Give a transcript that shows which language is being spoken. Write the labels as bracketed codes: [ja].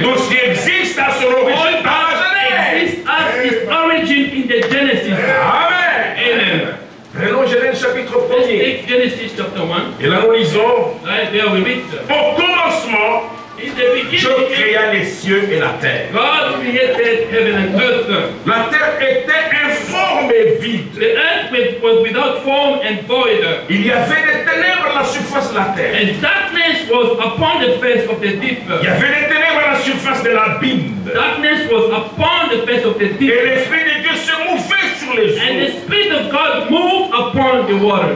[fr] Tout ce qui existe à son origine par Genèse. [en] All that exists has its origin in the Genesis. Amen. Amen. [fr] Prenons Genèse chapitre 1er. [en] Let's take Genesis chapter 1. [fr] Et là nous lisons. [en] Right there we read. [fr] Au commencement. Dieu créa les cieux et la terre. [en] God created heaven and earth. [fr] La terre était informe et vide. [en] The earth was without form and void. [fr] Il y avait des ténèbres à la surface de la terre. [en] And darkness was upon the face of the deep. [fr] Il y avait des ténèbres à la surface de l'abîme. [en] Darkness was upon the face of the deep. [fr] Et l'Esprit de Dieu se mouvait sur les eaux. [en] And the Spirit of God moved upon the water.